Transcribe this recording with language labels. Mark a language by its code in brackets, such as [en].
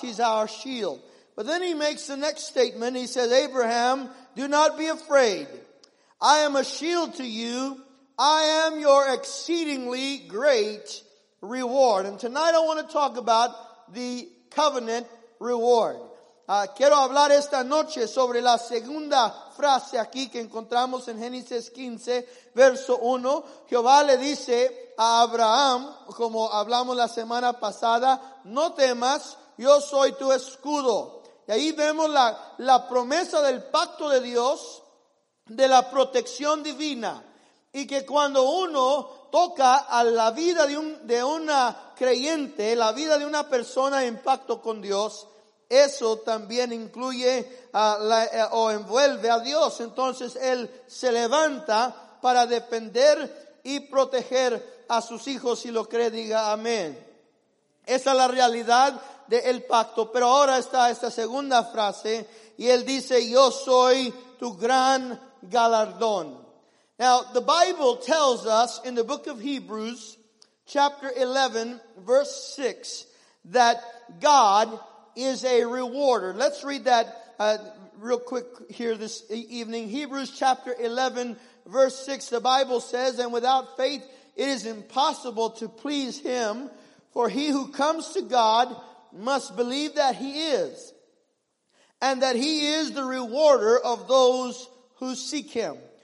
[en] He's our shield. But then He makes the next statement. He says, Abraham, do not be afraid. I am a shield to you. I am your exceedingly great reward. And tonight I want to talk about the covenant reward. [es] Quiero hablar esta noche sobre la segunda frase aquí que encontramos en Génesis 15, verso 1. Jehová le dice a Abraham, como hablamos la semana pasada, no temas, yo soy tu escudo. Y ahí vemos la promesa del pacto de Dios, de la protección divina. Y que cuando uno toca a la vida de una creyente, la vida de una persona en pacto con Dios, eso también incluye o envuelve a Dios. Entonces Él se levanta para defender y proteger a sus hijos. Si lo cree, diga amén. Esa es la realidad del pacto. Pero ahora está esta segunda frase y Él dice, yo soy tu gran galardón. [en] Now, the Bible tells us in the book of Hebrews, chapter 11, verse 6, that God is a rewarder. Let's read that real quick here this evening. Hebrews chapter 11, verse 6, the Bible says, and without faith it is impossible to please Him, for he who comes to God must believe that He is, and that He is the rewarder of those who seek Him.